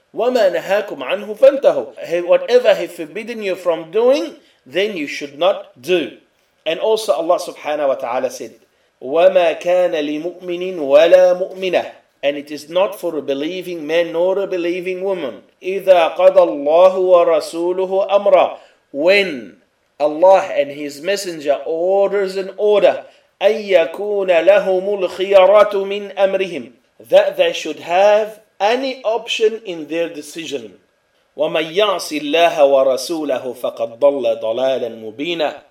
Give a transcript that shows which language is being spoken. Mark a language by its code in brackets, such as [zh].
[ar] وَمَا نَهَاكُمْ عَنْهُ فَانْتَهُ. [en] Whatever he forbidden you from doing, then you should not do. And also Allah subhanahu wa ta'ala said, [ar] وَمَا كَانَ لِمُؤْمِنٍ وَلَا مُؤْمِنَةٍ. [en] And it is not for a believing man nor a believing woman. [ar] إِذَا قَضَى اللَّهُ وَرَسُولُهُ أَمْرًا. [en] When Allah and His Messenger orders an order, [ar] أَنْ يَكُونَ لَهُمُ الْخِيَرَةُ مِنْ أَمْرِهِمْ, [en] that they should have any option in their decision. [ar] وَمَنْ يَعْصِ اللَّهَ وَرَسُولَهُ فَقَدْ ضَلَّ ضَلَالًا مُبِينًا.